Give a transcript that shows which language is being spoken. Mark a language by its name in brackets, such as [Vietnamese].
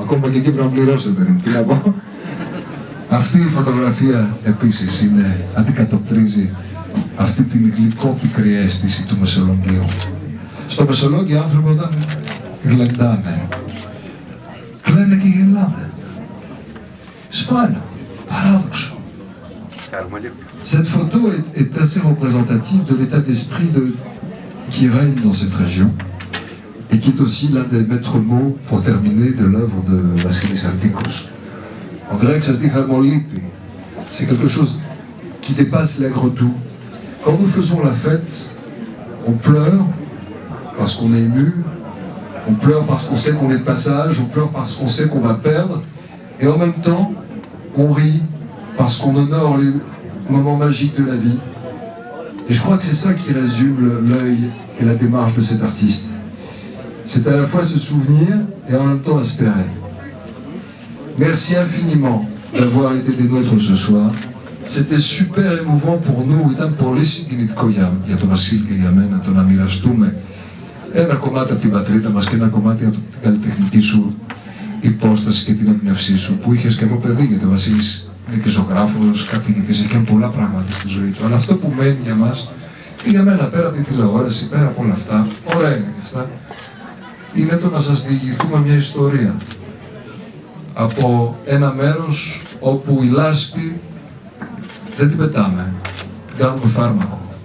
[Greek] Ακόμα και εκεί πρέπει να πληρώσει, παιδί μου. Τι να πω. Αυτή η φωτογραφία επίσης είναι, αντικατοπτρίζει αυτή την γλυκόπικρη αίσθηση του Μεσολογγίου. Στο Μεσολόγιο οι άνθρωποι όταν γλεντάνε, κλαίνε και γελάνε. Σπάνιο. Παράδοξο. [French] Cette photo est assez représentative de l'état d'esprit qui règne dans cette région. Et qui est aussi l'un des maîtres mots pour terminer de l'œuvre de Vassilis Artikos. En grec, ça se dit hagmolipi. C'est quelque chose qui dépasse l'aigre doux. Quand nous faisons la fête, on pleure parce qu'on est ému, on pleure parce qu'on sait qu'on est de passage, on pleure parce qu'on sait qu'on va perdre, et en même temps, on rit parce qu'on honore les moments magiques de la vie. Et je crois que c'est ça qui résume l'œil et la démarche de cet artiste. C'est à la fois se souvenir et en même temps espérer. Merci infiniment d'avoir été des nôtres ce soir. C'était super émouvant pour nous, [Greek] ήταν πολύ συγκινητικό για, για τον Βασίλη και για μένα το να μοιραστούμε ένα κομμάτι από την πατρίδα μας και ένα κομμάτι από την καλλιτεχνική σου υπόσταση και την έμπνευσή σου που είχες και από παιδί, γιατί ο Βασίλης είναι και ζωγράφος, καθηγητής, έχει πολλά πράγματα στη ζωή του. Αλλά αυτό που μένει για μας και για μένα, πέρα από τη τηλεόραση, πέρα από όλα αυτά, ωραία είναι αυτά, είναι το να σας διηγηθούμε μια ιστορία από ένα μέρος όπου η λάσπη δεν την πετάμε, την κάνουμε φάρμακο.